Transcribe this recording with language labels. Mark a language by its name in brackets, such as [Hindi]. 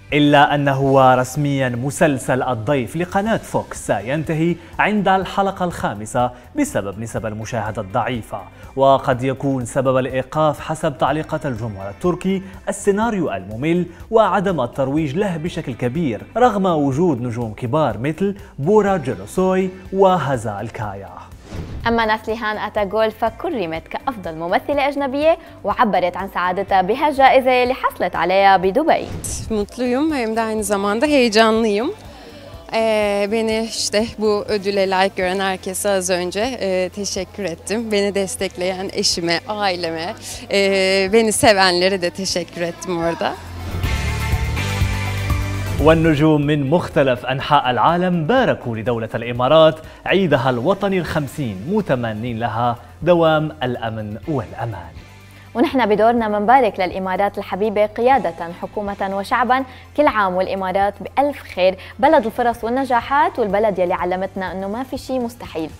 [Arabic] إلا أنه رسمياً مسلسل الضيف لقناة فوكس ينتهي عند الحلقة 5 بسبب نسب المشاهدة الضعيفة، وقد يكون سبب الإيقاف حسب تعليقات الجمهور التركي السيناريو الممل وعدم الترويج له بشكل كبير، رغم وجود نجوم كبار مثل بورا جيروسوي وهزال كايا. أما ناسلي هان أتاغول فكرمت كأفضل ممثلة أجنبية وعبرت عن سعادتها بهالجائزة اللي حصلت عليها بدبي. [Turkish] Mutluyum, hem de aynı zamanda heyecanlıyım. Beni işte bu ödüle layık gören herkese az önce teşekkür ettim. Beni destekleyen eşime, aileme, beni sevenlere de teşekkür ettim orada. [Arabic] والنجوم من مختلف أنحاء العالم باركوا لدولة الإمارات عيدها الوطني 50، متمنين لها دوام الأمن والأمان. ونحن بدورنا منبارك للإمارات الحبيبة قيادة، حكومة وشعبا، كل عام والإمارات بألف خير، بلد الفرص والنجاحات، والبلد يلي علمتنا أنه ما في شيء مستحيل.